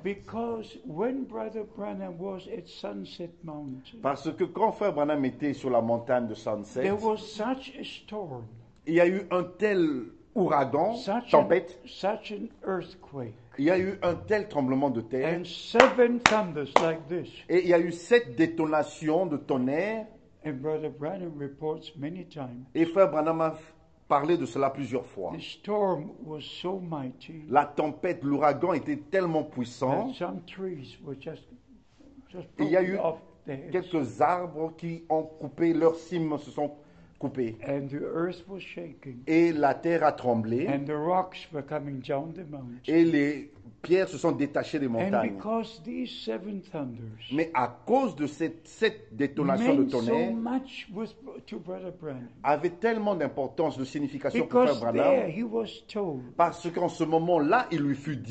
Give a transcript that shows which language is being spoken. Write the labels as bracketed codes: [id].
[en] Because when Brother Branham was at Sunset Mountain, [fr] parce que quand Frère Branham était sur la montagne de Sunset, [en] there was such a storm, [fr] il y a eu un tel ouragan, [en] such [fr] tempête, [en] such an earthquake. [fr] Il y a eu un tel tremblement de terre. [en] And seven thunders like this. [fr] Et il y a eu sept détonations de tonnerre. [en] And Brother Branham reports many times. [fr] Et Frère Branham a parlé de cela plusieurs fois. [en] The storm was so mighty. [fr] La tempête, l'ouragan était tellement puissant. [en] That some trees were just [fr] et il y a eu quelques arbres qui ont coupé, leurs cimes se sont coupées. [en] And the earth was shaking. [fr] Et la terre a tremblé. [en] And the rocks were coming down the mountain. [fr] Et les pierres se sont détachées des montagnes. [en] And because these seven thunders, [fr] mais à cause de cette détonation [en] meant [fr] de tonnerre, [en] so much with, to Brother Branham, [fr] avait tellement d'importance, de signification [en] because [fr] pour Frère Branham, [en] there he was told, [fr] parce qu'en ce moment-là, il lui fut dit,